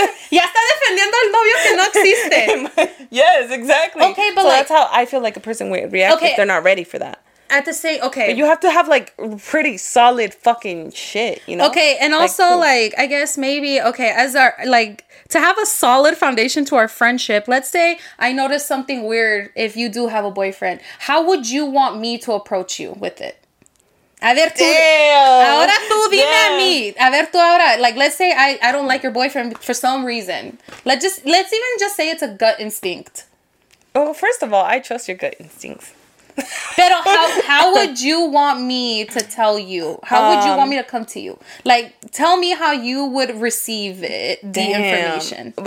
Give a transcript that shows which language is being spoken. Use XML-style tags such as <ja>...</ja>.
<es>Ya está defendiendo al novio que no existe.</es> <en>Yes, exactly. Okay, but so, like, that's how I feel like a person would react if they're not ready for that. I have to say, okay. But you have to have, like, pretty solid fucking shit, you know? Okay, and also, like I guess maybe, as our, like, to have a solid foundation to our friendship, let's say I notice something weird if you do have a boyfriend. How would you want me to approach you with it?</en> <es>A ver, tú, ahora tú dime a mí. A ver, tú ahora.</es> <en>Like, let's say I don't like your boyfriend for some reason. Let's even just say it's a gut instinct. Oh, first of all, I trust your gut instincts. Pero how would you want me to tell you? How would you want me to come to you? Like, tell me how you would receive it, information.</en>